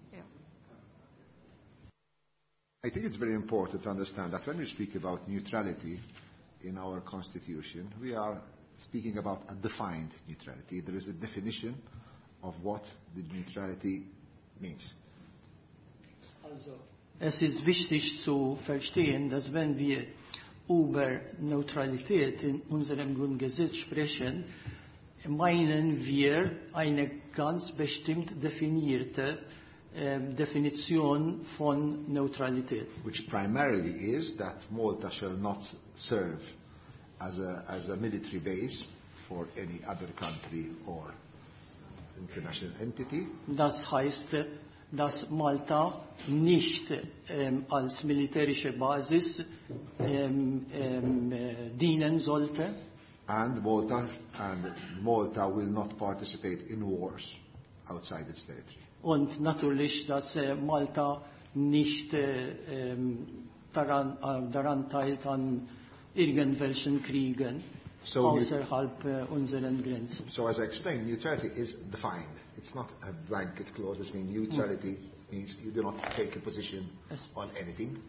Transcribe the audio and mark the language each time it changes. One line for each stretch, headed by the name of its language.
English: Yeah. I think it's very important to understand that when we speak about neutrality in our constitution, we are speaking about a defined neutrality. There is a definition of what the neutrality means.
German: Also, es ist wichtig zu verstehen, dass wenn wir über Neutralität in unserem Grundgesetz sprechen, meinen wir eine ganz bestimmt definierte Definition von Neutralität.
English: Which primarily is that Malta shall not serve as a military base for any other country or international entity.
German: Das heißt, dass Malta nicht als militärische Basis dienen sollte.
English: And Malta will not participate in wars outside its territory.
German: Und natürlich, dass Malta nicht daran teilt an irgendwelchen Kriegen außerhalb unseren Grenzen.
English: So as I explained, neutrality is defined. It's not a blanket clause, which means neutrality means you do not take a position on anything.